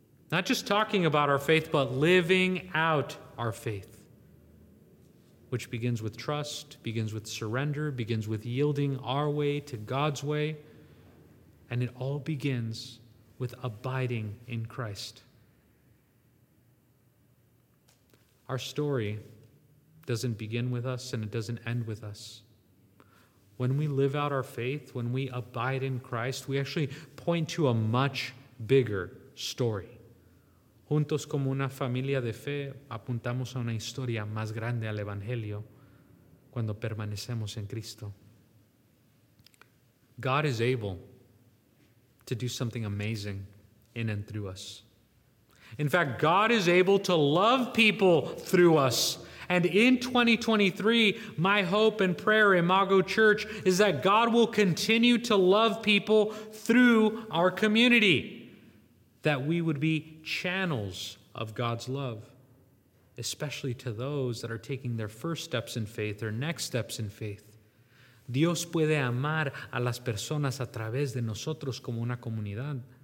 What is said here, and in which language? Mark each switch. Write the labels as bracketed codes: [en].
[en] Not just talking about our faith, but living out our faith, which begins with trust, begins with surrender, begins with yielding our way to God's way, and it all begins with abiding in Christ. Our story doesn't begin with us and it doesn't end with us. When we live out our faith, when we abide in Christ, we actually point to a much bigger story. [es] Juntos como una familia de fe, apuntamos a una historia más grande al Evangelio cuando permanecemos en Cristo. [en] God is able to do something amazing in and through us. In fact, God is able to love people through us. And in 2023, my hope and prayer, Imago Church, is that God will continue to love people through our community. That we would be channels of God's love, especially to those that are taking their first steps in faith, their next steps in faith. [es] Dios puede amar a las personas a través de nosotros como una comunidad.